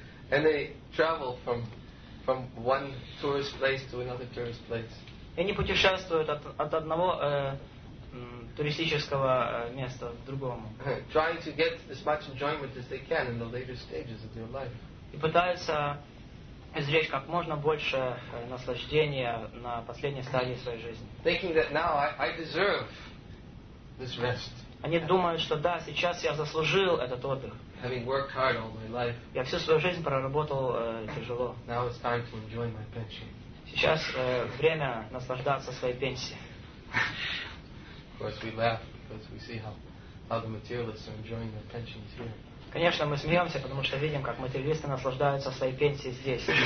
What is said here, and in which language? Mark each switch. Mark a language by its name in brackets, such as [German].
[English] And they travel from one tourist place to another tourist place. [Russian] И они путешествуют от одного туристического места к другому. [English] Trying to get as much enjoyment as they can in the later stages of their life. [Russian] И пытаются извлечь как можно больше наслаждения на последней стадии своей жизни. [English] Thinking that now I deserve this rest. [Russian] Они думают, что да, сейчас я заслужил этот отдых. [English] Having worked hard all my life. [Russian] Я всю свою жизнь проработал тяжело. [English] Now it's time to enjoy my pension. [Russian] Сейчас время наслаждаться своей пенсией. [English] Of course we laugh because we see how the materialists are enjoying their pensions here. [Russian] Конечно, мы смеемся, потому что видим, как материалисты наслаждаются своей пенсией здесь.